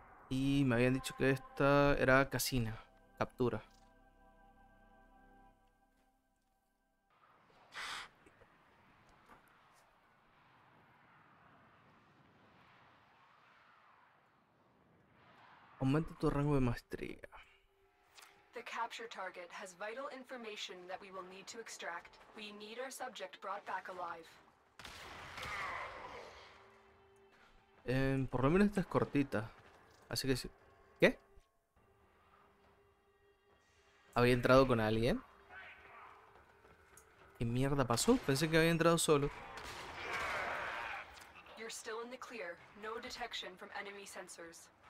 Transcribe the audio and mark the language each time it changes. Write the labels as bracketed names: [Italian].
[Spanish] Y me habían dicho que esta era casina. Captura. Aumenta tu rango de maestría. [English] The capture target has vital information that we will need to extract. We need our subject brought back alive. [Spanish] Por lo menos esta es cortita. Así que sí. ¿Qué? ¿Había entrado con alguien? ¿Qué mierda pasó? Pensé que había entrado solo. [English] You're still in the clear. No detection from enemy sensors.